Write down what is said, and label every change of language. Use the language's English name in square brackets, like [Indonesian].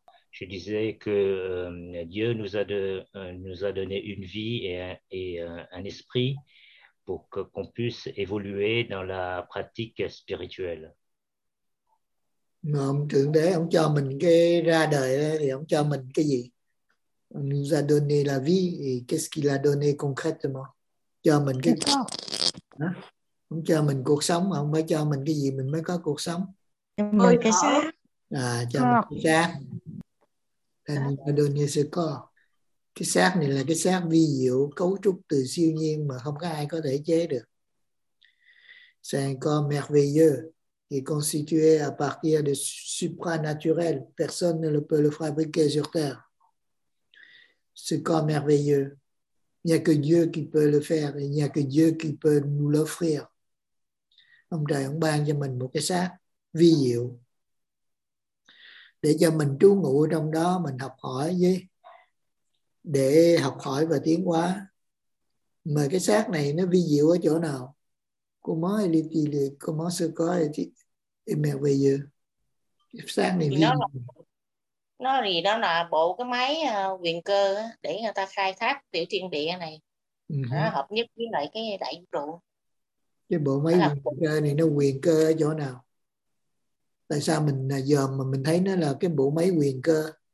[French] Je disais que Dieu nous a donné une vie et un esprit pour qu'on puisse évoluer dans la pratique spirituelle. [Vietnamese] Mà ông Thượng Đế ông cho mình cái ra đời thì ông cho mình cái gì? [French] Ông nous a donné la vie et qu'est-ce qu'il a donné concrètement? [Vietnamese] Cho mình cái gì? Ông cho mình cuộc sống, ông mới cho mình cái gì mình mới có cuộc sống? Mời cái xác. À, cho mình cái xác. [French] Il a donné ce corps. [Vietnamese] Cái xác này là cái xác vi diệu, cấu trúc từ siêu nhiên mà không có ai có thể chế được. [French] C'est un corps merveilleux. Qui est constitué à partir de supranaturel. Personne ne peut le fabriquer sur terre. Ce corps merveilleux, il n'y a que Dieu qui peut le faire, il n'y a que Dieu qui peut nous l'offrir. [Vietnamese] Ông trời ông ban cho mình một cái xác vi diệu để cho mình trú ngụ trong đó, mình học hỏi với, để học hỏi và tiến hóa. Mà cái xác này nó vi diệu ở chỗ nào? [French] Comment elle est-il? Comment ce corps est-il merveilleux? [Vietnamese] Xác này vi nó gì đó là bộ cái máy quyền cơ để người ta khai thác tiểu thiên địa này, hợp nhất với lại cái đại vũ trụ. Cái bộ máy quyền cơ này nó quyền cơ ở chỗ nào? Tại sao mình giờ mà mình thấy nó là cái bộ máy quyền cơ?